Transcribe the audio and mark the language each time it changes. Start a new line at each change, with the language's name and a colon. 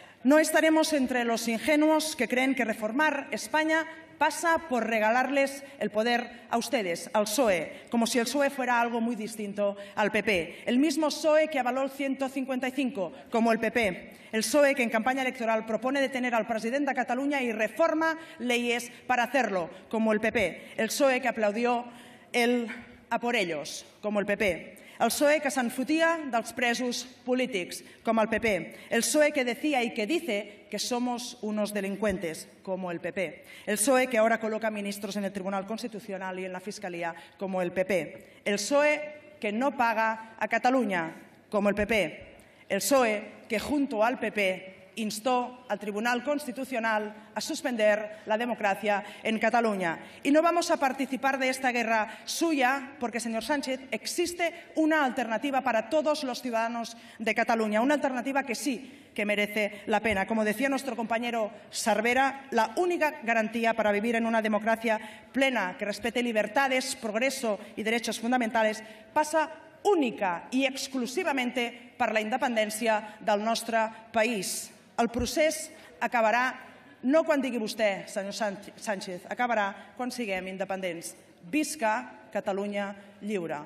Spanish: No estaremos entre los ingenuos que creen que reformar España pasa por regalarles el poder a ustedes, al PSOE, como si el PSOE fuera algo muy distinto al PP. El mismo PSOE que avaló el 155, como el PP. El PSOE que en campaña electoral propone detener al presidente de Cataluña y reforma leyes para hacerlo, como el PP. El PSOE que aplaudió el a por ellos,
Catalan: com el PP.
Spanish: El PSOE que
Catalan: se'n fotia dels presos polítics, com el PP.
Spanish: El PSOE que decía y que dice que somos unos delincuentes, como el PP. El PSOE que ahora coloca ministros en el Tribunal Constitucional y en la Fiscalía, como el PP. El PSOE que no paga a Cataluña, como el PP. El PSOE que junto al PP instó al Tribunal Constitucional a suspender la democracia en Cataluña. Y no vamos a participar de esta guerra suya porque, señor Sánchez, existe una alternativa para todos los ciudadanos de Cataluña, una alternativa que sí que merece la pena. Como decía nuestro compañero Cervera, la única garantía para vivir en una democracia plena que respete libertades, progreso y derechos fundamentales pasa única y exclusivamente
Catalan: per la independència del nostre país. El procés acabarà no quan digui vostè, senyor Sánchez, acabarà quan siguem independents. Visca Catalunya lliure.